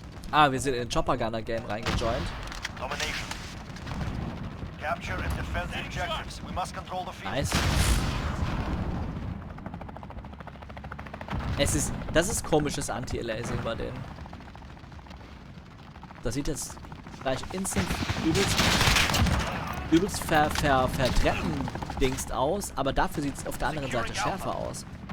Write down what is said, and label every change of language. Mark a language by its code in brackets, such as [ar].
[de] Ah, wir sind in den Chopper Gunner Game reingejoint. [en] Domination. Capture and defend the objectives. We must control the field. Nice. [de] Das ist komisches Anti-Aliasing bei denen. Das sieht jetzt gleich instant übelst verdreppendingst aus, aber dafür sieht es auf der anderen Seite schärfer aus.